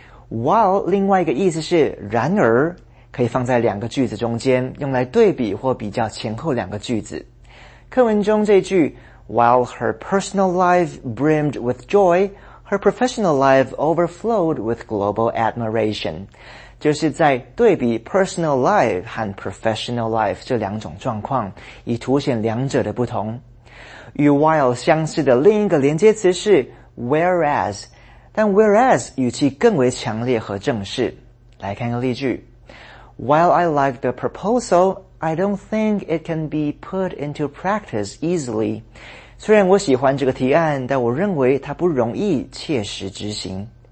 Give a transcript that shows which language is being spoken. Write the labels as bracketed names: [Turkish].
[Chinese] while 另外一个意思是然而，可以放在两个句子中间，用来对比或比较前后两个句子。课文中这句 [English] while her personal life brimmed with joy, her professional life overflowed with global admiration. [Chinese] 就是在对比 personal life 和 professional life 这两种状况，以凸显两者的不同。与 while 相似的另一个连接词是 whereas， 但 whereas 语气更为强烈和正式。来看个例句 [English] ：While I like the proposal, I don't think it can be put into practice easily. [Chinese] 虽然我喜欢这个提案，但我认为它不容易切实执行。